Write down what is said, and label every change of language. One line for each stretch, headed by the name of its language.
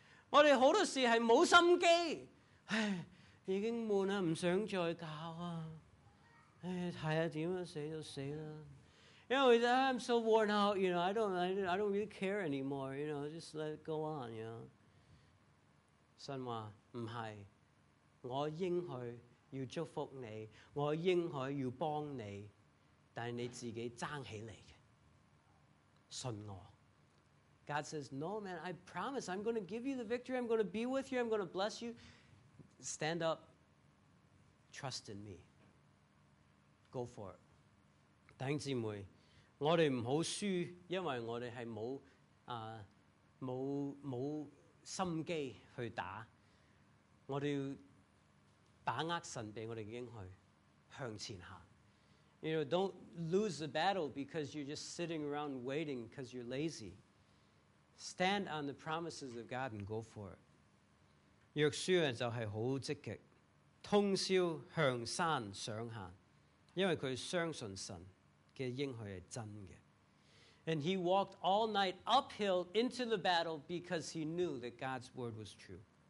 Chinese: 我哋好多事系冇心机，已经闷啦，唔想再搞啊！唉，睇下点啊，死就死啦。因为
English: I'm so worn out, you know, I don't really care anymore, you know, just let it go on, you know.
Chinese: 神话唔系，我应许要祝福你，我应许要帮你，但系你自己争起嚟嘅，信我。
English: God says, "No, man, I promise I'm going to give you the victory. I'm going to be with you. I'm going to bless you. Stand up. Trust in me. Go for it."
Chinese: 弟兄姊妹，我哋唔好输，因为我哋系冇心机去打。我哋要把握神俾我哋嘅应许，向前行。
English: You know, don't lose the battle because you're just sitting around waiting because you're lazy. Stand on the promises of God and go for it.
Chinese: 约书亚就是很积极，通宵向山上行，因为他相信神的应许是真的。
English: And he walked all night uphill into the battle because he knew that God's word was true.